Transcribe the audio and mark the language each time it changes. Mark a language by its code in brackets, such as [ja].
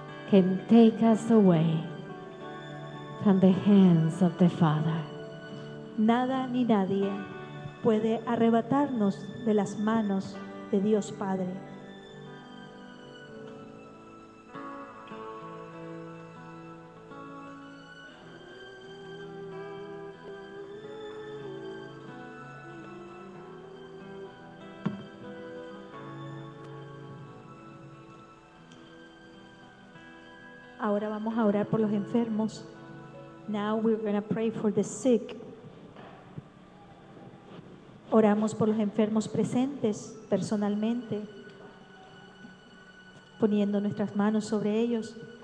[en] Take us away from the hands of the Father. [es] Nada ni nadie puede arrebatarnos de las manos de Dios Padre. Ahora vamos a orar por los enfermos. [en] Now we're going to pray for the sick. [es] Oramos por los enfermos presentes personalmente, poniendo nuestras manos sobre ellos.